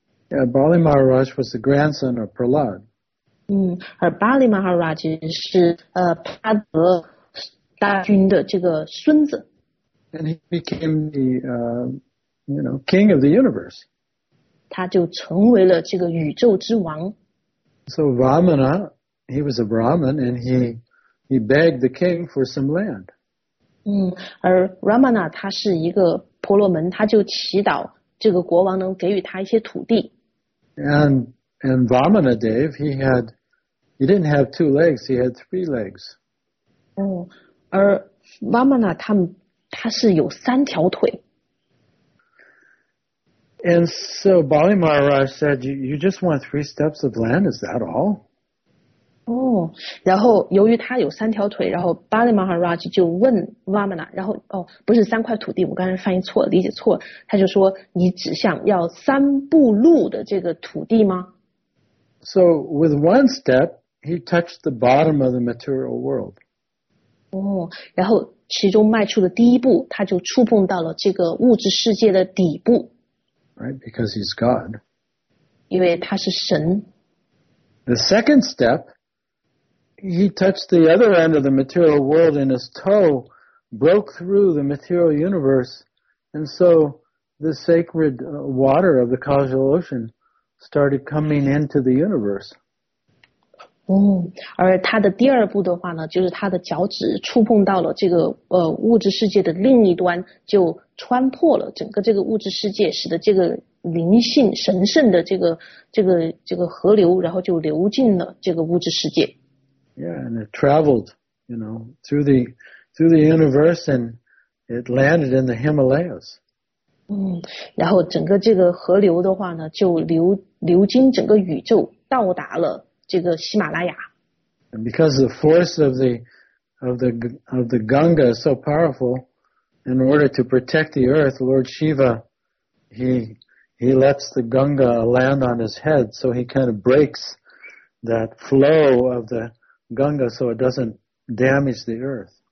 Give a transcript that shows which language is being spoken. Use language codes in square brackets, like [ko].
[en] Yeah, Bali Maharaj was the grandson of Prahlad. [zh] 而巴利马哈拉吉是帕德大军的这个孙子。 [en] And he became the, king of the universe. [zh] 他就成为了这个宇宙之王。 [en] So Vamana, he was a Brahmin, and he begged the king for some land. [zh] 而 Ramana 他是一个婆罗门，他就祈祷这个国王能给予他一些土地。 [en] And Vamana, Dave, he didn't have two legs, he had three legs. [zh] 而 Vamana, 他是有三条腿。 [en] And so Bali Maharaj said, you just want three steps of land, is that all? [zh] 然后由于他有三条腿，然后 Bali Maharaj 就问 Vamana, 然后不是三块土地，我刚才翻译错了，理解错了，他就说，你只想要三步路的这个土地吗？ [en] So with one step, he touched the bottom of the material world. [zh] 然后其中迈出的第一步，他就触碰到了这个物质世界的底部。 [en] Right, because he's God. [zh] 因为他是神。 [en] The second step, he touched the other end of the material world and his toe broke through the material universe. And so the sacred water of the causal ocean started coming into the universe. [zh] 而他的第二步的话呢，就是他的脚趾触碰到了这个物质世界的另一端，就穿破了整个这个物质世界，使得这个灵性神圣的这个河流，然后就流进了这个物质世界。 [en] Yeah, and it traveled, through the universe, and it landed in the Himalayas. [zh] 然后整个这个河流的话呢，就流经整个宇宙，到达了这个喜马拉雅。 [en] And because the force of the Ganga is so powerful, in order to protect the earth, Lord Shiva, he lets the Ganga land on his head, so he kind of breaks that flow of the Ganga so it doesn't damage the earth.